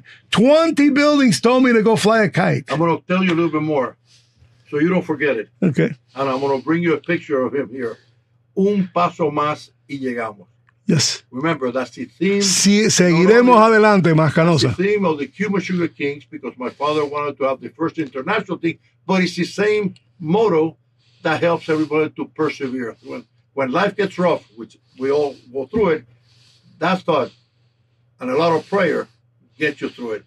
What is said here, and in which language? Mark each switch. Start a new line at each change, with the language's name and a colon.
English: 20 buildings told me to go fly a kite. I'm going to tell you a little bit more so you don't forget it. Okay. And I'm going to bring you a picture of him here.
Spanish: Un paso más y llegamos.
English: Yes. Remember, that's the theme.
Spanish: Si, seguiremos adelante, más canosa.
English: The theme of the Cuba Sugar Kings, because my father wanted to have the first international thing, but it's the same motto that helps everybody to persevere. When life gets rough, which we all go through it, that thought and a lot of prayer gets you through it.